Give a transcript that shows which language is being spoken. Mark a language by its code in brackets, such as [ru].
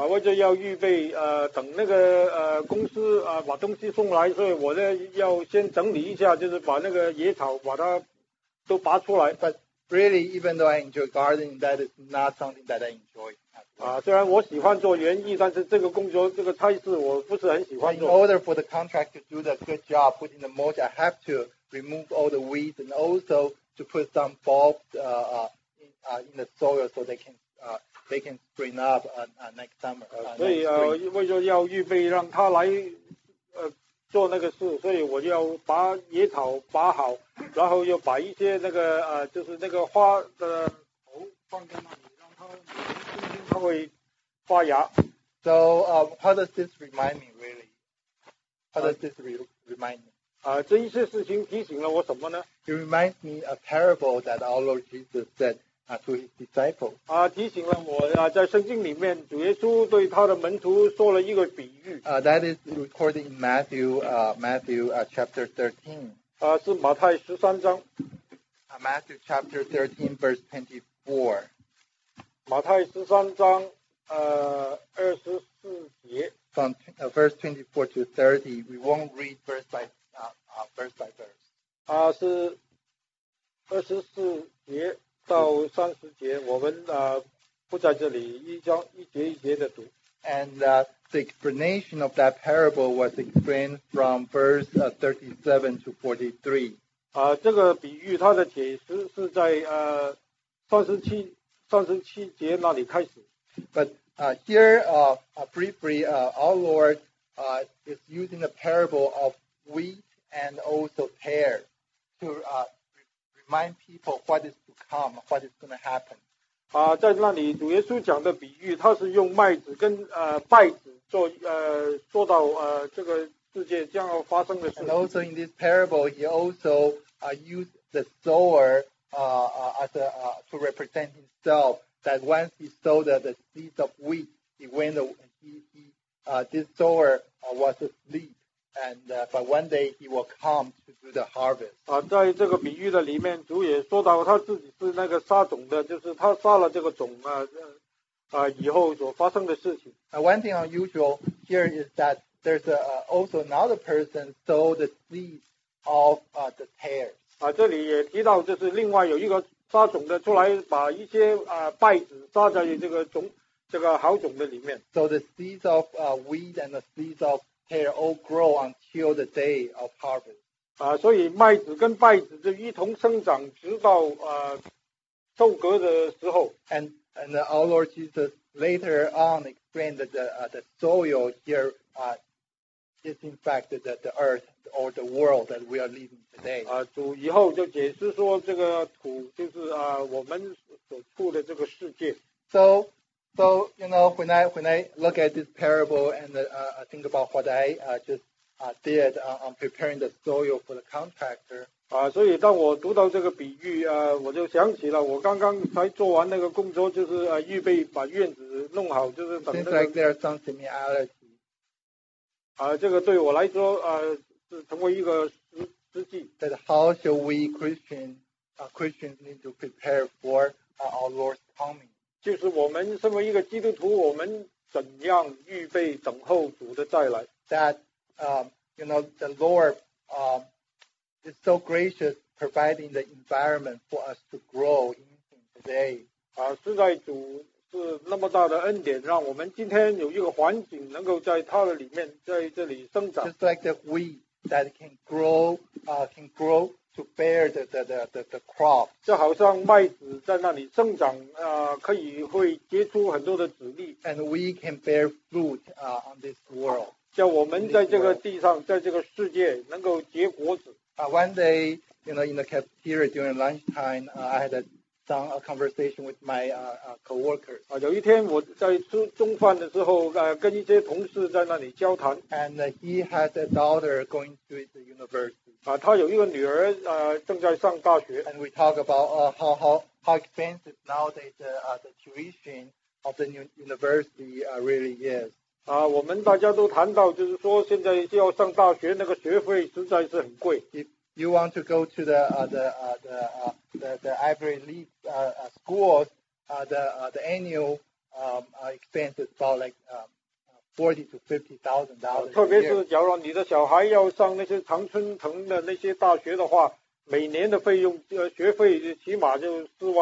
[zh] 我就要预备等那个公司把东西送来，所以我呢要先整理一下，就是把那个野草把它都拔出来。 [en] But really, even though I enjoy gardening, that is not something that I enjoy. [zh] 虽然我喜欢做园艺，但是这个工作这个差事我不是很喜欢做。 [en] In order for the contract to do the good job, putting the mulch, I have to remove all the weeds and also to put some bulbs in the soil so they can spring up next summer. [zh] 所以为了要预备让他来做那个事，所以我就要把野草拔好，然后又把一些那个就是那个花的头放在那里，让它冬天它会发芽。 [en] So how does this remind me really? How does this remind me? [zh] 这一些事情提醒了我什么呢？ [en] It reminds me a parable that our Lord Jesus said. To his disciples. [zh] 提醒了我在圣经里面主耶稣对他的门徒说了一个比喻。 [en] That is recorded in Matthew chapter 13. [zh] 是马太十三章。 [en] Matthew chapter 13 verse 24. [zh] 马太十三章二十四节。 [en] From verse 24 to 30, we won't read verse by verse. [zh] 是二十四节。到三十节，我们不在这里一章一节一节的读。 [en] And the explanation of that parable was explained from verse 37 to 43. [zh] 这个比喻它的解释是在三十七节那里开始。 [en] But here, briefly, our Lord is using the parable of wheat and also tares to remind people what is to come, what is going to happen. [zh] 在那里主耶稣讲的比喻，他是用麦子跟稗子做说到这个世界将要发生的事。 [en] And also in this parable, he also used the sower to represent himself. That once he sowed the seeds of wheat, he went away. This sower was asleep, but one day he will come to do the harvest. [zh] 在这个比喻的里面，主也说到他自己是那个撒种的，就是他撒了这个种以后所发生的事情。 [en] One thing unusual here is that there's also another person sowed the seeds of the tares. [zh] 这里也提到就是另外有一个撒种的出来把一些稗子撒在这个种。这个好种的里面。 [en] So the seeds of wheat and the seeds of tares all grow until the day of harvest. [zh] 所以麦子跟稗子就一同生长直到收割的时候。 [en] And our Lord Jesus later on explained that the soil here is in fact the earth or the world that we are living today. [zh] 主以后就解释说这个土就是我们所处的这个世界。 [en] So, you know, when I look at this parable and I think about what I just did on preparing the soil for the contractor. [zh] 所以当我读到这个比喻我就想起了我刚刚才做完那个工作就是预备把院子弄好就是等那个。 [en] Seems like there are some similarity. [zh] 这个对我来说是成为一个实际。 [en] That how should we Christians need to prepare for our Lord's coming? [zh] 就是我们身为一个基督徒，我们怎样预备等候主的再来 [en] ？That you know the Lord is so gracious providing the environment for us to grow in Him today. [zh] 实在主是那么大的恩典，让我们今天有一个环境能够在他的里面，在这里生长。 [en] Just like the wheat that can grow to bear the crop. [zh] 就好像麦子在那里生长可以会结出很多的籽粒。 [en] And we can bear fruit on this world. [zh] 叫我们在这个地上在这个世界能够结果子。 [en] One day, you know, in the cafeteria during lunchtime, I had a conversation with my co-workers. [zh] 有一天我在吃中饭的时候跟一些同事在那里交谈。 [en] And he had a daughter going to the university. [zh] 他有一个女儿正在上大学。 [en] And we talk about how expensive nowadays the tuition of the university really is. [zh] 我们大家都谈到就是说现在要上大学那个学费实在是很贵。 [en] If you want to go to the Ivy League schools, the annual expense is about $40,000 to $50,000.